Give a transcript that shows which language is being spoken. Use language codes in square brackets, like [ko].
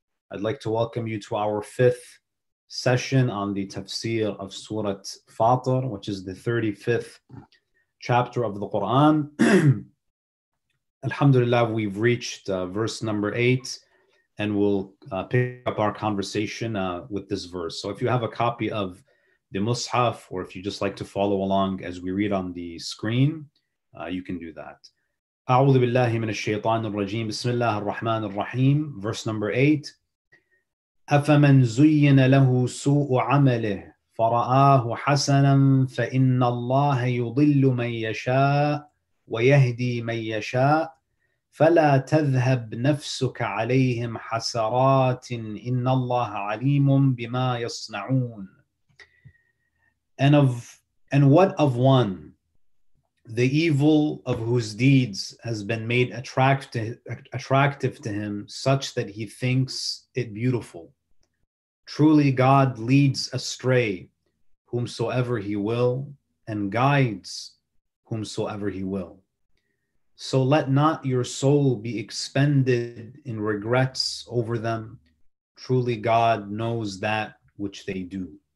[en] I'd like to welcome you to our fifth session on the Tafsir of Surah Fatir, which is the 35th chapter of the Quran. Alhamdulillah, we've reached verse number 8, and we'll pick up our conversation with this verse. So if you have a copy of the Mus'haf, or if you just like to follow along as we read on the screen, you can do that. [ar] أعوذ بالله من الشيطان الرجيم بسم الله الرحمن الرحيم [en] verse number 8 [ar] أفمن زين له سوء عمله فرآه حسنا فإن الله يضل من يشاء ويهدي من يشاء فلا تذهب نفسك عليهم حسرات إن الله عليم بما يصنعون [en] And what of one the evil of whose deeds has been made attractive to him such that he thinks it beautiful. Truly God leads astray whomsoever he will and guides whomsoever he will. So let not your soul be expended in regrets over them. Truly God knows that which they do.